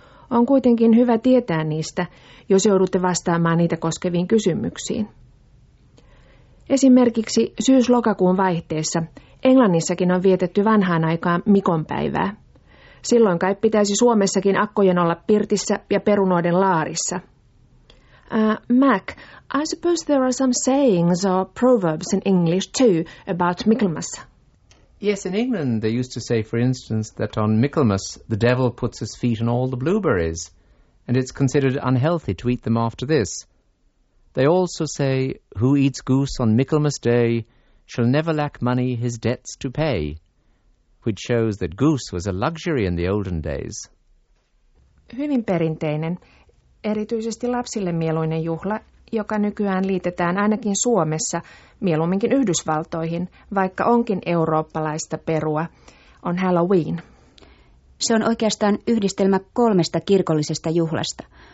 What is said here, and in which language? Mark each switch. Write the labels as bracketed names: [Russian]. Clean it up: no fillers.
[Finnish] On kuitenkin hyvä tietää niistä, jos joudutte vastaamaan niitä koskeviin kysymyksiin. Esimerkiksi syys-lokakuun vaihteessa Englannissakin on vietetty vanhaan aikaan mikonpäivää. Silloin kai pitäisi Suomessakin akkojen olla pirtissä ja perunoiden laarissa. [English] Mac, I suppose there are some sayings or proverbs in English too about Michaelmas. Yes, in England they used to say, for instance, that on Michaelmas the devil puts his feet in all the blueberries, and it's considered unhealthy to eat them after this. They also say, who eats goose on Michaelmas day shall never lack money his debts to pay. Which shows that goose was a luxury in the olden days. [Finnish] Hyvin perinteinen, erityisesti lapsille mieluinen juhla, joka nykyään liitetään ainakin Suomessa, mieluumminkin Yhdysvaltoihin, vaikka onkin eurooppalaista perua, on Halloween. Se on oikeastaan yhdistelmä kolmesta kirkollisesta juhlasta.